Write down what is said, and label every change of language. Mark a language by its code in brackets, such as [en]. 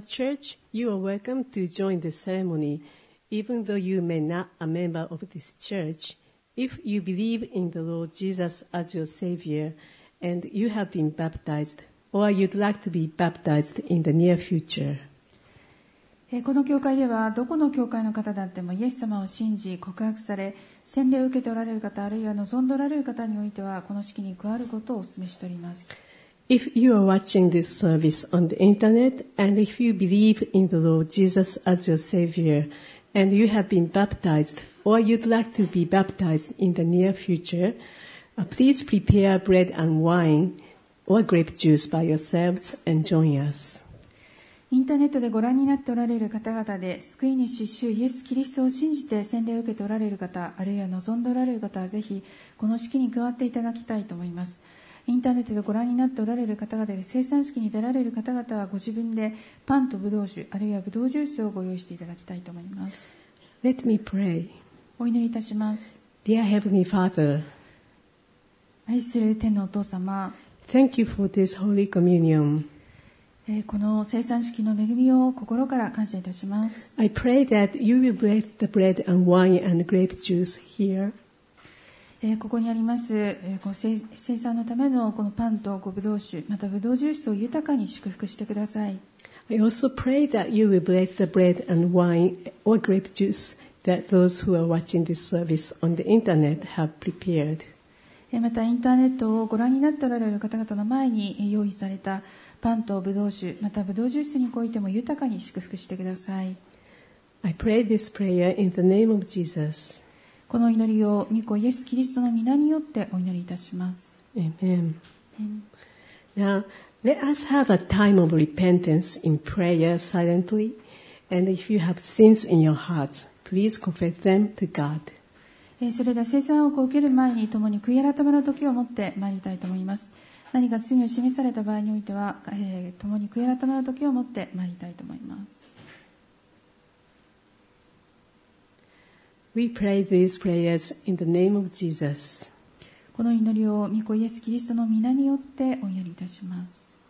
[en] church, you are welcome to join the ceremony, even though you may not be a member of this church. If you believe in the Lord Jesus as your Savior and you have been baptized,or you'd like to be baptized in the near future. [ja] この教会ではどこの教会の方だってもイエス様を信じ告白され洗礼を受けておられる方あるいは望んでおられる方においてはこの式に加わることをお勧めしております。 [en] If you are watching this service on the internet and if you believe in the Lord Jesus as your Savior and you have been baptized or you'd like to be baptized in the near future, please prepare bread and wine or grape juice by yourselves and join us. [ja] インターネットでご覧になっておられる方々で救い主主イエスキリストを信じて洗礼を受けておられる方あるいは望んでおられる方はぜひこの式に加わっていただきたいと思います。インターネットでご覧になっておられる方々で聖餐式に出られる方々はご自分でパンとブドウ酒あるいはブドウジュースをご用意していただきたいと思います。 [en] Let me pray. [ja] お祈りいたします。 [en] Dear Heavenly Father, [ja] 愛する天のお父様、 [en] Thank you for this Holy Communion. [ja] この聖餐式の恵みを心から感謝いたします。 [en] I pray that you will bless the bread and wine and grape juice here. [ja] ここにあります聖餐のためのこのパンとブドウ酒またブドウジュースを豊かに祝福してください。 [en] I also pray that you will bless the bread and wine or grape juice that those who are watching this service on the internet have prepared. [ja] またインターネットをご覧になっておられる方々の前に用意されたパンとブドウ酒またブドウジュースにおいても豊かに祝福してください。 [en] I pray this prayer in the name of Jesus. [ja] この祈りを御子イエス・キリストの御名によってお祈りいたします。 [en] Amen. Now, let us have a time of repentance in prayer silently, and if you have sins in your hearts, please confess them to God. [ja] それでは聖餐を受ける前に共に悔い改めの時を持って参りたいと思います。何か罪を示された場合においては、共に悔い改めの時を持って参りたいと思います。 [en] We pray these prayers in the name of Jesus. [ja] この祈りを御子イエス・キリストの御名によってお祈りいたします。